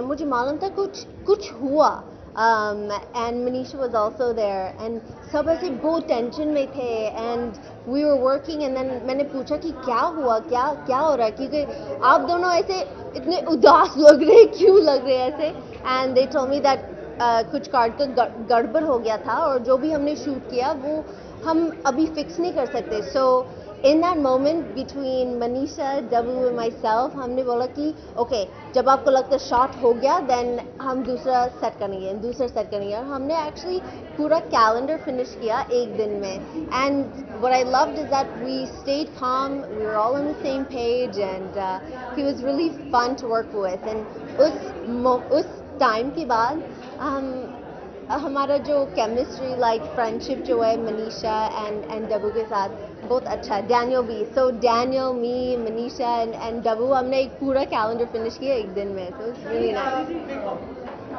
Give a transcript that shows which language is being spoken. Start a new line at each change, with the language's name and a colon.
Hindi: मुझे मालूम था कुछ हुआ।
English: And Manisha was also there,
Hindi: and सब ऐसे बहुत टेंशन में थे,
English: and we were working, and then
Hindi: मैंने पूछा कि क्या हुआ, क्या हो रहा, क्योंकि आप दोनों ऐसे इतने उदास लोग रहे, क्यों लोग रहे ऐसे,
English: and they told me that
Hindi: कुछ कार्ड का गड़बड़ हो गया था, और जो भी हमने शूट किया, वो हम अभी फिक्स नहीं कर सकते।
English: So in that moment between Manisha, Dabu and myself,
Hindi: हमने बोला कि ओके, जब आपको लगता शॉट हो गया, then हम दूसरा सेट करेंगे, दूसरा सेट करेंगे। हमने एक्चुअली पूरा कैलेंडर फिनिश किया एक दिन में।
English: And what I loved is that we stayed calm, we were all on the same page, and he was really fun to work with.
Hindi: And उस टाइम के बाद हमारा जो केमिस्ट्री,
English: like friendship
Hindi: जो है मनीषा and डब्बू के साथ, both अच्छा, डैनियल भी।
English: So Daniel, me, Manisha and Dabu,
Hindi: हमने एक पूरा कैलेंडर फिनिश किया एक दिन में।
English: So it's really nice.